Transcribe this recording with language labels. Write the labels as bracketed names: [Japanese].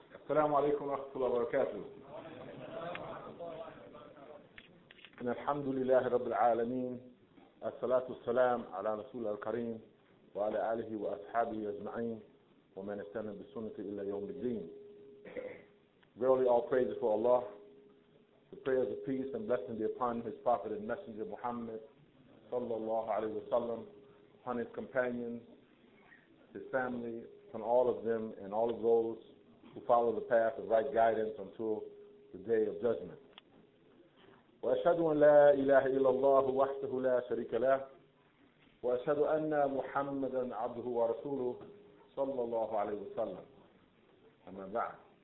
[Arabic] السلام عليكم ورحمة الله وبركاته. إن الحمد لله رب العالمين، الصلاة والسلام على رسول الكريم وعلى آله وأصحابه أجمعين ومن استنى بالسنة إلى يوم الدين. [English] Verily all praises for Allah, the prayers of peace and blessing be upon His Prophet and Messenger Muhammad [Arabic] صلى الله عليه وسلم, [English] upon His companions, His family, upon all of them and all of those who follow the path of right guidance until the day of judgment. [Arabic] وأشهد أن لا إله إلا الله وحده لا شريك له وأشهد أن محمدا عبده ورسوله صلى الله عليه وسلم أما بعد.